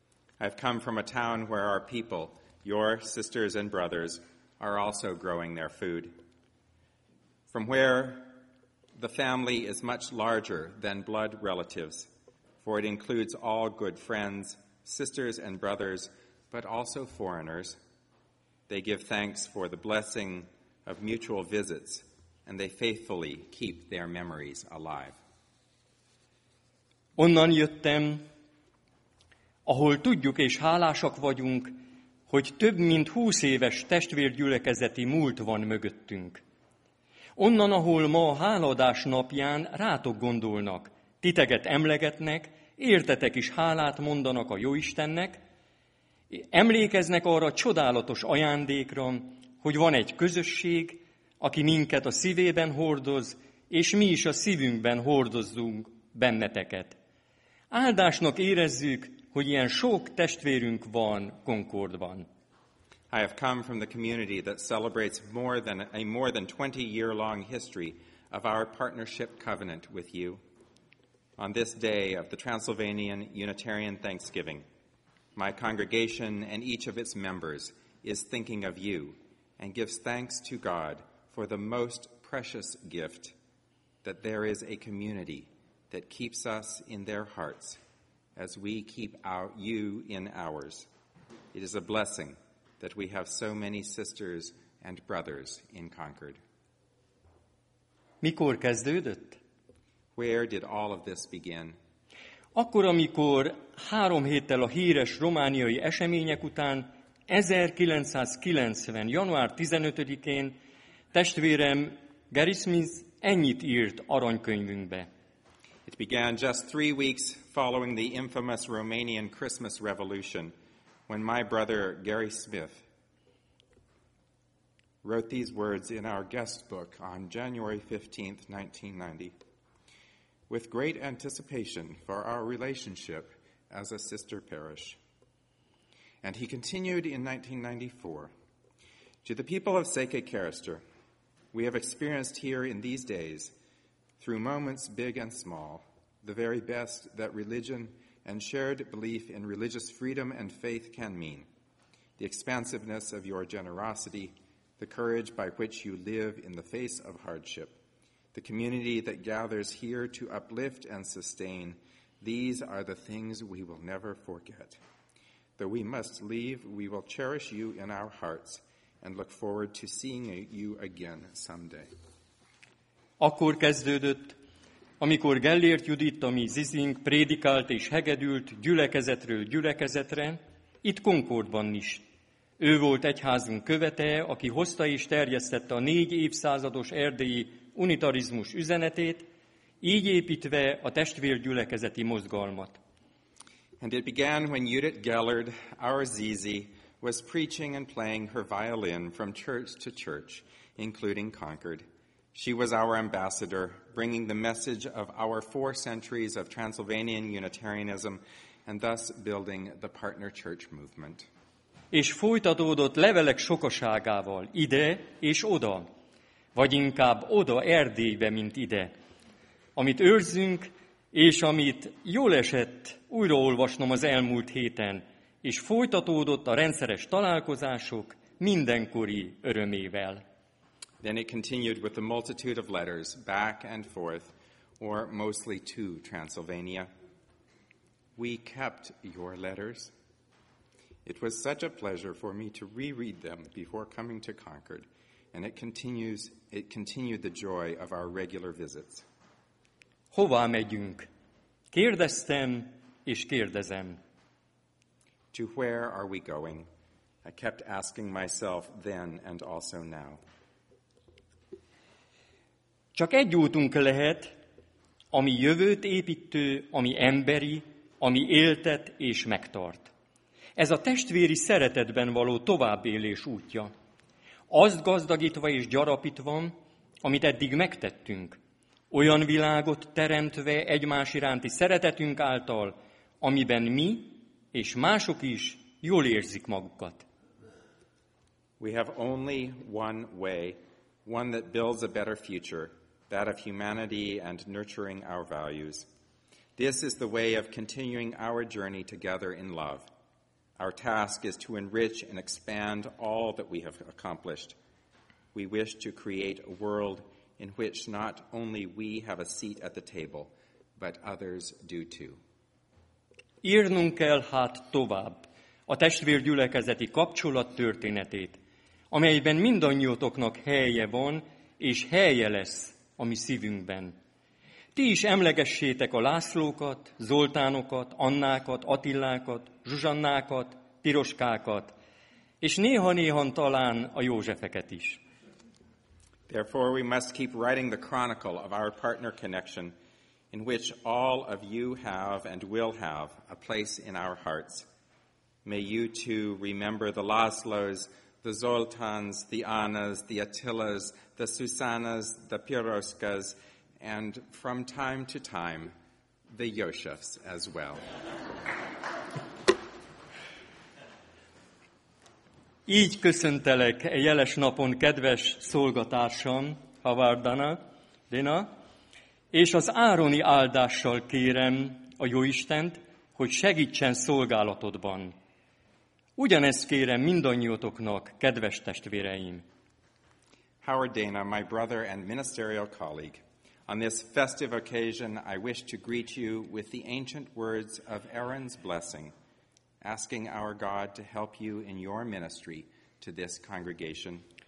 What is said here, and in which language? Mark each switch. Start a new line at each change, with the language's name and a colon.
English: I have come from a town where our people, your sisters and brothers, are also growing their food. From where the family is much larger than blood relatives, for it includes all good friends, sisters and brothers, but also foreigners. They give thanks for the blessing of mutual visits, and they faithfully keep their memories alive.
Hungarian: Onnan jöttem, ahol tudjuk és hálásak vagyunk, hogy több mint 20 éves testvérgyülekezeti múlt van mögöttünk. Onnan, ahol ma a hálaadás napján rátok gondolnak, titeket emlegetnek, értetek is hálát mondanak a Jóistennek, emlékeznek arra csodálatos ajándékra, hogy van egy közösség, aki minket a szívében hordoz, és mi is a szívünkben hordozzunk benneteket. Áldásnak érezzük, hogy ilyen sok testvérünk van Concordban.
English: I have come from the community that celebrates more than 20-year-long history of our partnership covenant with you on this day of the Transylvanian Unitarian Thanksgiving. My congregation and each of its members is thinking of you and gives thanks to God for the most precious gift, that there is a community that keeps us in their hearts as we keep you in ours. It is a blessing that we have so many sisters and brothers in Concord.
Hungarian: Mikor kezdődött?
English: Where did all of this begin?
Hungarian: Akkor, amikor 3 héttel a híres romániai események után, 1990. január 15-én testvérem Gary Smith ennyit írt aranykönyvünkbe.
English: It began just 3 weeks following the infamous Romanian Christmas Revolution, when my brother Gary Smith wrote these words in our guest book on January 15th, 1990. With great anticipation for our relationship as a sister parish. And he continued in 1994, to the people of Seke Carister, we have experienced here in these days, through moments big and small, the very best that religion and shared belief in religious freedom and faith can mean, the expansiveness of your generosity, the courage by which you live in the face of hardship, the community that gathers here to uplift and sustain, these are the things we will never forget. Though we must leave, we will cherish you in our hearts and look forward to seeing you again someday.
Hungarian: Akkor kezdődött, amikor Gellért Judit, ami Zizing, prédikált és hegedült gyülekezetről gyülekezetre, itt Concordban is. Ő volt egyházunk követe, aki hozta és terjesztette a 4 évszázados erdélyi unitarizmus üzenetét, így építve a testvérgyülekezeti mozgalmat.
English: And it began when Judith Gellert, our Zizi, was preaching and playing her violin from church to church, including Concord. She was our ambassador, bringing the message of our 4 centuries of Transylvanian Unitarianism and thus building the partner church movement.
Hungarian: És folytatódott levelek sokaságával ide és oda, vagy inkább oda Erdélybe, mint ide, amit őrzünk, és amit jól esett újraolvasnom az elmúlt héten, és folytatódott a rendszeres találkozások mindenkori örömével.
English: Then it continued with a multitude of letters back and forth, or mostly to Transylvania. We kept your letters. It was such a pleasure for me to reread them before coming to Concord, and it continued the joy of our regular visits.
Hungarian: Hová megyünk? Kérdeztem és kérdezem.
English: To where are we going? I kept asking myself then and also now.
Hungarian: Csak egy útunk lehet, ami jövőt építő, ami emberi, ami éltet és megtart. Ez a testvéri szeretetben való továbbélés útja. Azt gazdagítva és gyarapítva, amit eddig megtettünk, olyan világot teremtve egymás iránti szeretetünk által, amiben mi és mások is jól érzik magukat.
English: We have only one way, one that builds a better future, that of humanity and nurturing our values. This is the way of continuing our journey together in love. Our task is to enrich and expand all that we have accomplished. We wish to create a world in which not only we have a seat at the table, but others do too.
Hungarian: Írnunk kell hát tovább a testvérgyülekezeti kapcsolat történetét, amelyben mindannyiótoknak helye van és helye lesz a mi szívünkben. Ti is emlegessétek a Lászlókat, Zoltánokat, Annákat, Attillákat, Zsuzsannákat, Piroskákat, és néha-néhan talán a Józsefeket is.
English: Therefore we must keep writing the chronicle of our partner connection in which all of you have and will have a place in our hearts. May you too remember the Laszlos, the Zoltans, the Annas, the Attilas, the Susannas, the Piroskas, and from time to time, the Yoshefs as well.
Hungarian: Így köszöntelek e jeles napon kedves szolgatársam, Havardana, Dina, és az Ároni áldással kérem a Jóistent, hogy segítsen szolgálatodban. Ugyanezt kérem mindannyiótoknak, kedves testvéreim.
English: Howard Dana, my brother and ministerial colleague, on this festive occasion I wish to greet you with the ancient words of Aaron's blessing, asking our God to help you in your ministry to this congregation.